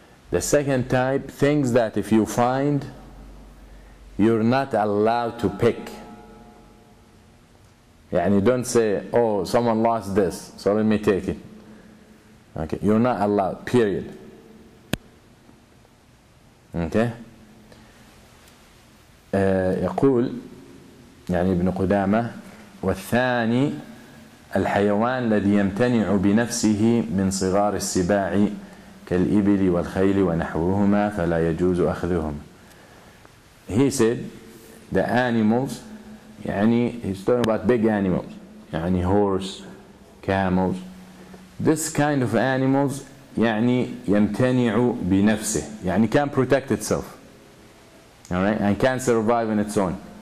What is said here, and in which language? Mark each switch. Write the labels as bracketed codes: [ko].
[en] The second type, things that if you find, you're not allowed to pick. And you don't say, oh, someone lost this, so let me take it. Okay, you're not allowed, period. Okay? [ar] يقول يعني ابن قدامة والثاني الحيوان الذي يمتنع بنفسه من صغار السباع كالإبل والخيل ونحوهما فلا يجوز أخذهم. [en] He said, the animals, يعني he's talking about big animals, يعني horse, camels. This kind of animals, يعني [ar] يمتنع بنفسه, [en] يعني can protect itself. Alright, and can survive on its own.